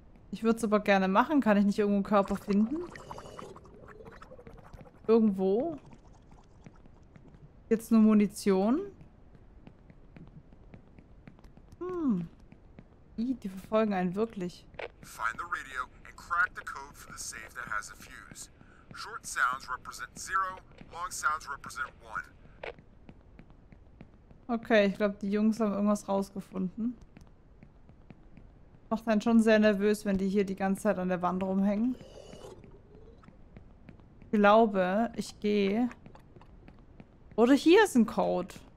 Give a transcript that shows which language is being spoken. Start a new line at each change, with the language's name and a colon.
German: Ich würde es aber gerne machen. Kann ich nicht irgendwo einen Körper finden? Irgendwo? Jetzt nur Munition? Hm. Ih, die verfolgen einen wirklich.
English: Find the radio and crack the code for the safe that has a fuse. Short sounds represent 0, long sounds represent 1.
German: Okay, ich glaube, die Jungs haben irgendwas rausgefunden. Macht einen schon sehr nervös, wenn die hier die ganze Zeit an der Wand rumhängen. Ich glaube, ich gehe. Oder hier ist ein Code.